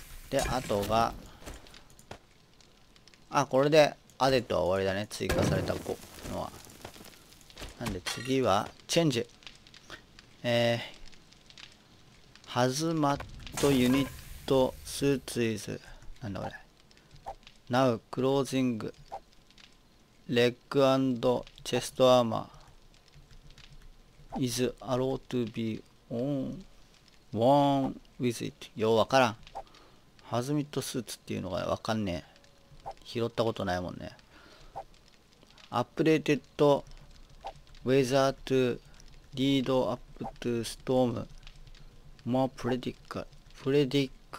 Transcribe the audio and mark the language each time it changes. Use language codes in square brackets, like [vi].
[ja] で、あとが、あ、これでアディットは終わりだね、追加されたのは。なんで次は、チェンジ。 [en] ハズマットユニットスーツイズ。 [ja] なんだこれ。 [en] Now, closing, leg and chest armor is allowed to be worn with it. [ja] ようわからん。ハズミットスーツっていうのがわかんねえ。拾ったことないもんね。 [en] Updated weather to lead up to storm more predictably.